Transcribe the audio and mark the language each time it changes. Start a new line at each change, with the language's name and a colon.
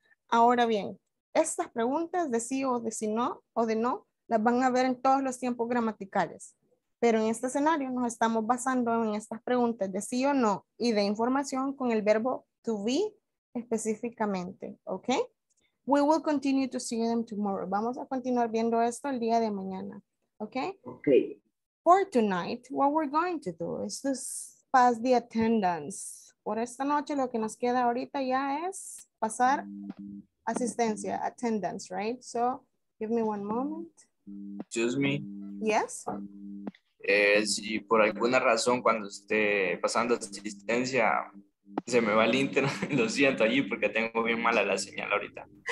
Spanish: Ahora bien, estas preguntas de sí o de sí no, o de no, las van a ver en todos los tiempos gramaticales. Pero en este escenario nos estamos basando en estas preguntas de sí o no y de información con el verbo to be específicamente. ¿Ok?
English: We will continue to see them tomorrow.
Spanish: Vamos a continuar viendo esto el día de mañana. ¿Ok? Ok.
English: For tonight, what we're going to do is to pass the attendance.
Spanish: Por esta noche lo que nos queda ahorita ya es pasar asistencia, attendance, right?
English: So, give me one moment. Excuse me. Yes.
Spanish: Si por alguna razón cuando esté pasando asistencia se me va el internet, lo siento allí porque tengo bien mala la señal ahorita.